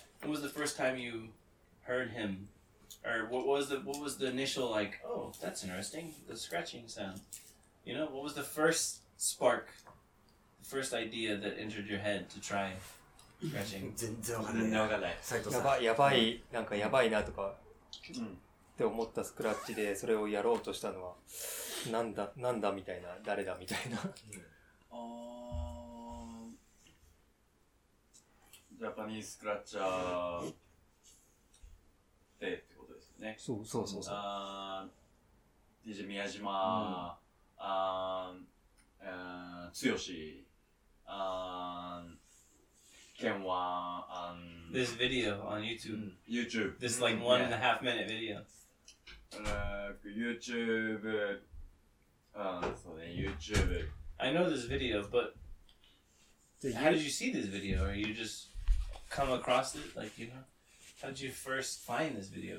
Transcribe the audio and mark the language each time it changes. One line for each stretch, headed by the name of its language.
English: When was the first time you heard him, or what was the initial like? Oh, that's interesting. The scratching sound. You know, what was the first spark, the first idea that entered your head to try scratching?
Japanese: 全然わかんない。なんかね、斉藤さん。やばい、なんかやばいなとか。って思ったスクラッチでそれをやろうとしたのはなんだなんだみたいな誰だみたいな、うん、ジャパニーススクラッチャーでってことですね。そうそうそうそう。 DJ 宮島、うん、ああ強し、ケンワン、
English: This video on YouTube、
Japanese: うん、
English: YouTube This like one、yeah. and a half minute video YouTube、
Japanese: そうね、
English: YouTube I know this video, but how did you see this video? Or you just come across it? Like, you know, how did you first find this video?